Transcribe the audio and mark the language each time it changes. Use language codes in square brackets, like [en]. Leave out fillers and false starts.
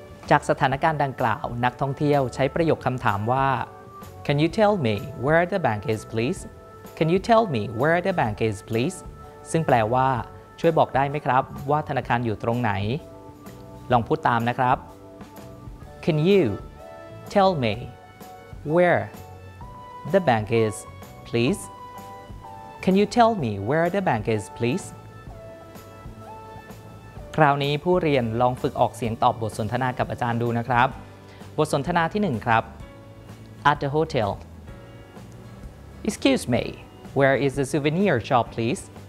[th] จากสถานการณ์ดังกล่าวนักท่องเที่ยวใช้ประโยคคำถามว่า [en] Can you tell me where the bank is, please? Can you tell me where the bank is, please? [th] ซึ่งแปลว่าช่วยบอกได้ไหมครับว่าธนาคารอยู่ตรงไหนลองพูดตามนะครับ [en] Can you tell me where the bank is, please? Can you tell me where the bank is, please? [th] คราวนี้ผู้เรียนลองฝึกออกเสียงตอบบทสนทนากับอาจารย์ดูนะครับบทสนทนาที่1ครับ [en] At the hotel Excuse me, where is the souvenir shop, please?